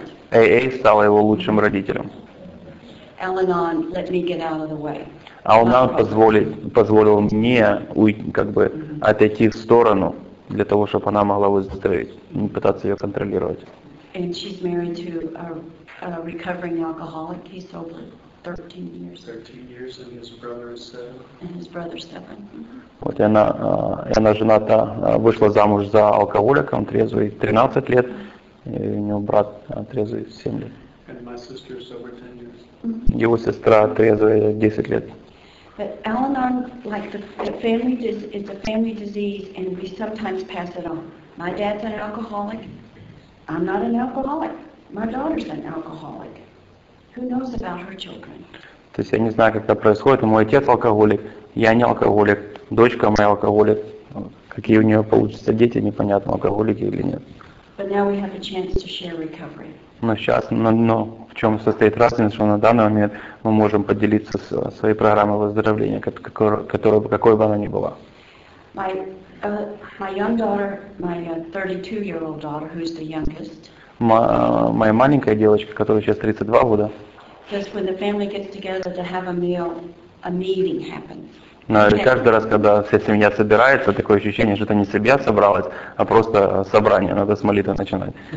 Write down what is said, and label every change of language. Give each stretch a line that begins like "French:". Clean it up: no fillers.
Russian: AA стал его лучшим родителем.
English: Al-Anon let me get out of the way.
Russian: Al-Anon позволил мне отойти в сторону для того, чтобы она могла выздороветь, не пытаться ее контролировать.
English: And she's married to a recovering alcoholic. He's sober. 13 years. 13 years, and his brother is 7. And his brother is 7.
Russian: Вот и она жената вышла замуж за алкоголиком, трезвый 13 лет, и у него брат трезвый 7 лет.
English: And my sister is sober 10 years.
Russian: Его сестра трезвая 10 лет.
English: But Al-Anon, like the family, it's a family disease, and we sometimes pass it on. My dad's an alcoholic. I'm not an alcoholic. My daughter's an alcoholic. Who knows about her children?
Russian: То есть я не знаю, как это происходит. Мой отец алкоголик, я не алкоголик, дочка моя алкоголик. Какие у нее получатся дети, непонятно, алкоголики или нет.
English: But now we have a chance to share recovery.
Russian: Но сейчас, но в чем состоит разница, что на данный момент мы можем поделиться с своей программой выздоровления, какой бы она ни была.
English: My young daughter, my 32-year-old daughter, who's the youngest.
Russian: Моя маленькая девочка, которой сейчас 32 года.
English: Just when the family gets together to have a meal, a meeting happens.
Russian: Но каждый раз, когда вся семья собирается, такое ощущение, что это не семья собралась, а просто собрание, надо с молитвы начинать.